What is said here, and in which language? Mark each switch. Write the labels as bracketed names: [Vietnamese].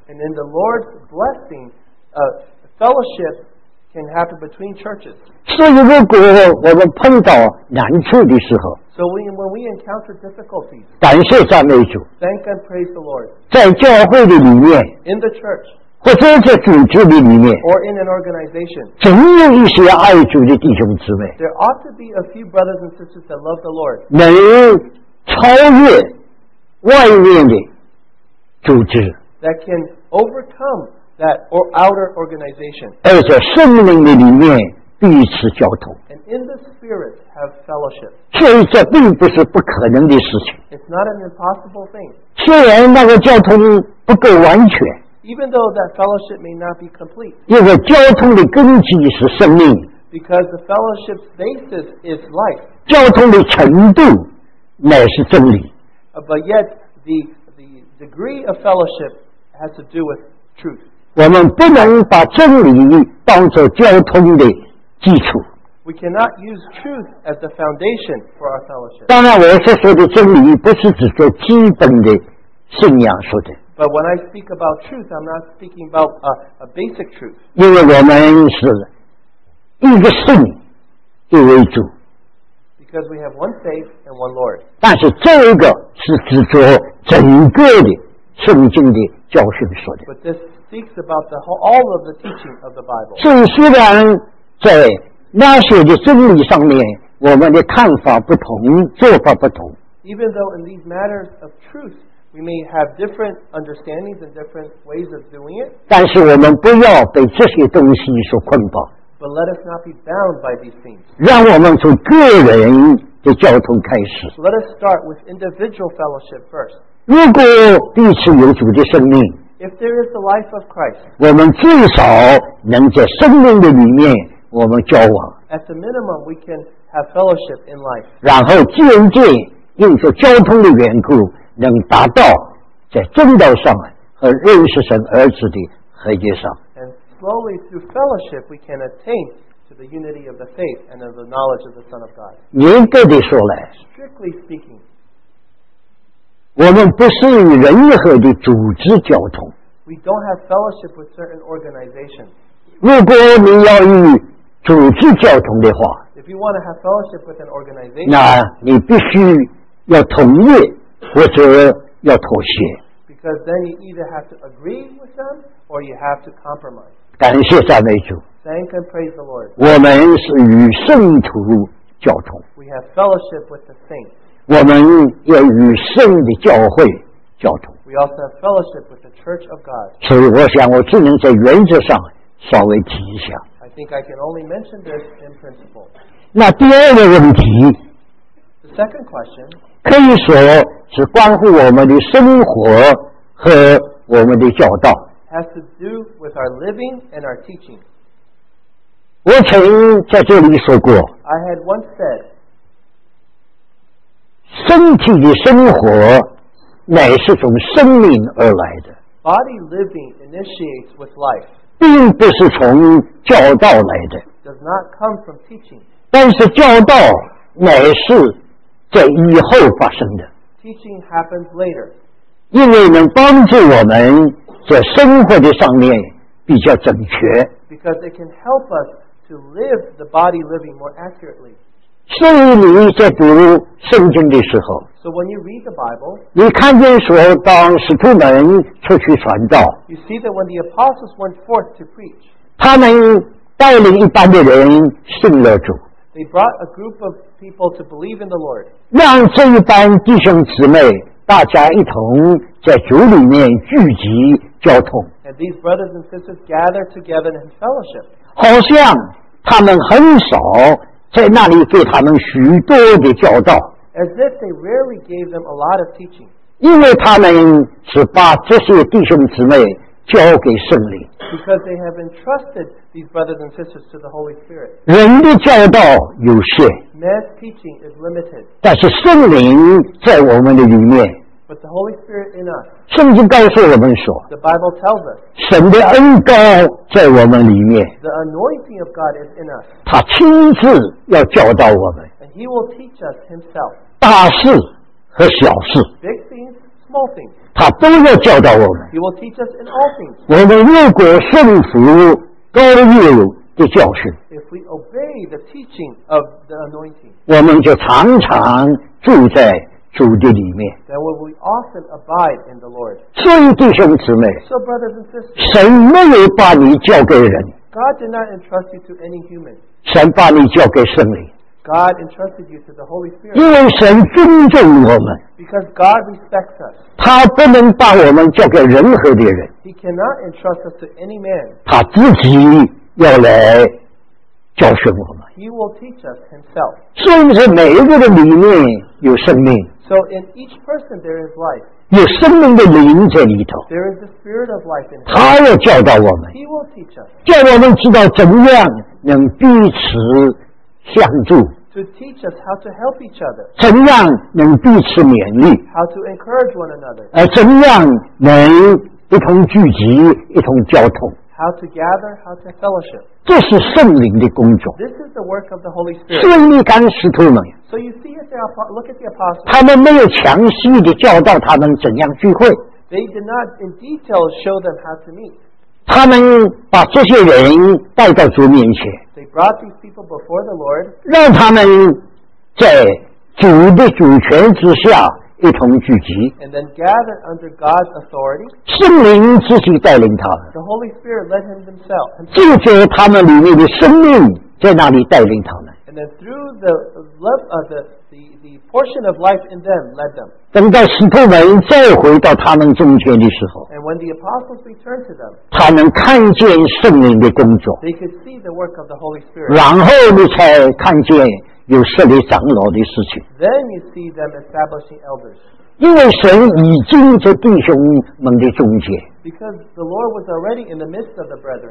[English] And in the Lord's blessing, fellowship can happen between churches. [Chinese] 所以如果我们碰到难处的时候， [English] So when we encounter difficulties, [Chinese] 感谢赞美主。 [English] Thank and praise the Lord. [Chinese] 在教会的里面， [English] In the church, [Chinese] 或者在组织的里面， [English] Or in an organization, [Chinese] 总有一些爱主的弟兄姊妹， [English] There ought to be a few brothers and sisters that love the Lord. [Chinese] 能超越外面的组织， [English] That can overcome that outer organization. [Chinese] 而在圣灵的里面彼此交通。 [English] And in the spirit have fellowship. [Chinese] 所以这并不是不可能的事情。 [English] It's not an impossible thing. [Chinese] 虽然那个交通不够完全。 [English] Even though that fellowship may not be complete. [Chinese] 因为交通的根基是生命。 [English] Because the fellowship's basis is life. [Chinese] 交通的程度乃是真理。 [English] But yet, the degree of fellowship has to do with truth. [Chinese] 我们不能把真理当作交通的基础。 [English] We cannot use truth as the foundation for our fellowship. [Chinese] 当然我所说的真理不是只说基本的信仰说的。 [English] But when I speak about truth, I'm not speaking about a basic truth. [Chinese] 因为我们是一个信的为主。 [English] Because we have one faith and one Lord. [Chinese] 但是这个是指着整个的圣经的教训说的。 [English] But this speaks about the whole, all of the teaching of the Bible. [Chinese] 所以虽然在那些的真理上面我们的看法不同，做法不同。 [English] Even though in these matters of truth, we may have different understandings and different ways of doing it. [Chinese] 但是我们不要被这些东西所捆绑。 [English] But let us not be bound by these things. [Chinese] 让我们从个人的交通开始。 [English] Let us start with individual fellowship first. [Chinese] 如果彼此有主的生命， [English] If there is the life of Christ, [Chinese] 我们至少能在生命的里面我们交往。 [English] At the minimum, we can have fellowship in life. [Chinese] 然后渐渐因着交通的缘故，能达到在正道上和认识神儿子的合一上。 [English] And slowly through fellowship, we can attain to the unity of the faith and of the knowledge of the Son of God. [Chinese] 严格的说来， [English] strictly speaking, [Chinese] 我们不是与任何的组织交通。 [English] We don't have fellowship with certain organizations. [Chinese] 如果你要与组织交通的话， [English] if you want to have fellowship with an organization, [Chinese] 那你必须要同意或者要妥协。 [English] Because then you either have to agree with them or you have to compromise. [Chinese] 感谢赞美主。 [English] Thank and praise the Lord. [Chinese] 我们是与圣徒交通。 [English] We have fellowship with the saints. [Chinese] 我们要与圣的教会交通。 [English] We also have fellowship with the church of God. [Chinese] 所以我想我只能在原则上稍微提一下。 [English] I think I can only mention this in principle. [Chinese] 那第二个问题， [English] Second question, [Chinese] 可以说是关乎我们的生活和我们的教导。 [English] Has to do with our living and our teaching. [Chinese] 我曾在这里说过， [English] I had once said, [Chinese] 身体的生活乃是从生命而来的。 [English] Body living initiates with life. [Chinese] 并不是从教导来的。 [English] Does not come from teaching. [Chinese] 但是教导乃是在以后发生的。 [English] Teaching happens later. [Chinese] 因为能帮助我们在生活的上面比较正确。 [English] Because it can help us to live the body living more accurately. [Chinese] 所以你在读圣经的时候， [English] So when you read the Bible, [Chinese] 你看见说当使徒们出去传道， [English] You see that when the apostles went forth to preach, [Chinese] 他们带领一般的人信了主。 [English] They brought a group of people to believe in the Lord. [Chinese] 让这一班弟兄姊妹大家一同在主里面聚集交通。 [English] And these brothers and sisters gathered together in fellowship. [Chinese] 好像他们很少在那里给他们许多的教导。 [English] As if they rarely gave them a lot of teaching. [Chinese] 因为他们是把这些弟兄姊妹交给圣灵。 [English] Because they have entrusted these brothers and sisters to the Holy Spirit. [Chinese] 人的教导有限。 [English] Man's teaching is limited. [Chinese] 但是圣灵在我们的里面。 [English] But the Holy Spirit in us. [Chinese] 圣经告诉我们说， [English] The Bible tells us. [Chinese] 神的恩膏在我们里面。 [English] The anointing of God is in us. [Chinese] 他亲自要教导我们。 [English] And he will teach us himself. [Chinese] 大事和小事。 [English] Big things, small things. [Chinese] 他都要教导我们。 [English] He will teach us in all things. [Chinese] 我们如果顺服膏油的教训， [English] If we obey the teaching of the anointing, [Chinese] 我们就常常住在主的里面。 [English] Then we will often abide in the Lord. [Chinese] 所以弟兄姊妹， [English] So brothers and sisters, [Chinese] 神没有把你交给人， [English] God did not entrust you to any human. [Chinese] 神把你交给圣灵。 [English] God entrusted you to the Holy Spirit. [Chinese] 因为神尊重我们。 [English] Because God respects us. [Chinese] 他不能把我们交给任何的人。 [English] He cannot entrust us to any man. [Chinese] 他自己要来教训我们。 [English] He will teach us himself. [Chinese] 所以是每一个的里面有生命。 [English] So in each person there is life. [Chinese] 有生命的灵在里头。 [English] There is the spirit of life in him. [Chinese] 他要教导我们。 [English] He will teach us. [Chinese] 叫我们知道怎样能彼此相助， [English] to teach us how to help each other， [Chinese] 怎样能彼此勉励， [English] how to encourage one another， [Chinese] 怎样能一同聚集一同交通， [English] how to gather, how to fellowship. [Chinese] 这是圣灵的工作。 [English] This is the work of the Holy Spirit. [Chinese] 所以你看使徒们。 [English] So you see at the look at the apostles. [Chinese] 他们没有详细的教导他们怎样聚会。 [English] They did not in detail show them how to meet. [Chinese] 他们把这些人带到主面前。 [English] They brought these people before the Lord. [Chinese] 让他们在主的主权之下一同聚集。 [English] And then gathered under God's authority. [Chinese] 圣灵自己带领他们。 [English] The Holy Spirit led him himself. [Chinese] 借着他们里面的生命在那里带领他们。 [English] And then through the love of the portion of life in them led them. [Chinese] 等到使徒们再回到他们中间的时候。 [English] And when the apostles returned to them. [Chinese] 他们看见圣灵的工作。 [English] They could see the work of the Holy Spirit. [Chinese] 然后你才看见有设立长老的事情。 [English] Then you see them establishing elders. [Chinese] 因为神已经在弟兄们的中间。 [English] Because the Lord was already in the midst of the brethren.